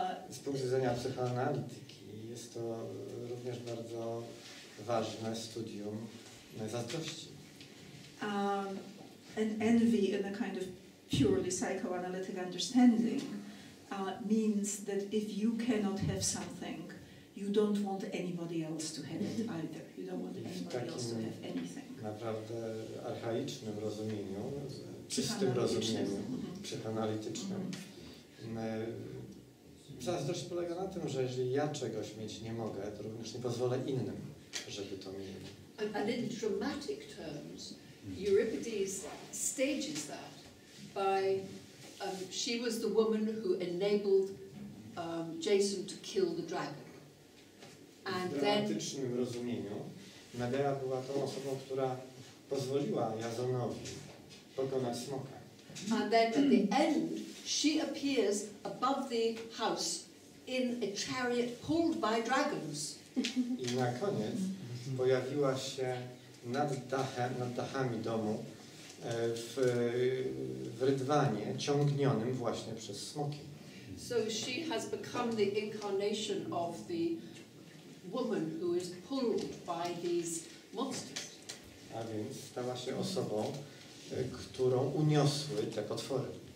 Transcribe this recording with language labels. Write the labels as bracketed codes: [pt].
[pl] Z punktu widzenia psychoanalityki jest to również bardzo ważne studium zazdrości. [en] And envy in a kind of purely psychoanalytic understanding means that if you cannot have something, you don't want anybody else to have it either. You don't want anybody else to have anything. [pl] Naprawdę archaicznym rozumieniu, czystym rozumieniu, psychoanalitycznym. Zazdrość polega na tym, że jeżeli ja czegoś mieć nie mogę, to również nie pozwolę innym, żeby to mieli. [en] And in dramatic terms, Euripides stages that by she was the woman who enabled Jason to kill the dragon. [pl] And w dramatycznym then... rozumieniu Medea była tą osobą, która pozwoliła Jasonowi pokonać smoka. [en] And then at the end, she appears above the house in a chariot pulled by dragons. [pl] I na koniec pojawiła się nad dachem, nad dachami domu w rydwanie ciągnionym właśnie przez smoki. [en] So she has become the incarnation of the woman who is pulled by these monsters. [pl] A więc stała się osobą, którą uniosły te potwory.